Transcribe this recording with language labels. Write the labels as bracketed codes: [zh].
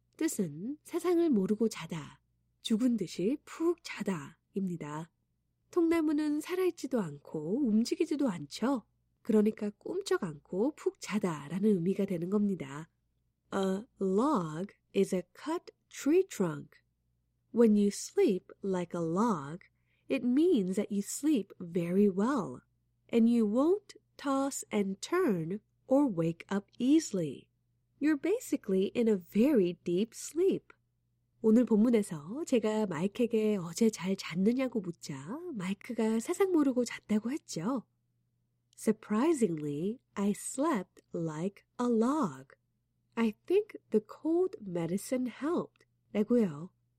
[ko] 뜻은 세상을 모르고 자다, 죽은 듯이 푹 자다입니다. 통나무는 살아있지도 않고 움직이지도 않죠. 그러니까 꿈쩍 않고 푹 자다라는 의미가 되는 겁니다. [en] A log is a cut tree trunk. When you sleep like a log, it means that you sleep very well. And you won't toss and turn or wake up easily. You're basically in a very deep sleep. [ko] 오늘 본문에서 제가 마이크에게 어제 잘 잤느냐고 묻자 마이크가 세상 모르고 잤다고 했죠. [en] Surprisingly, I slept like a log. I think the cold medicine helped. [ko] 라고요.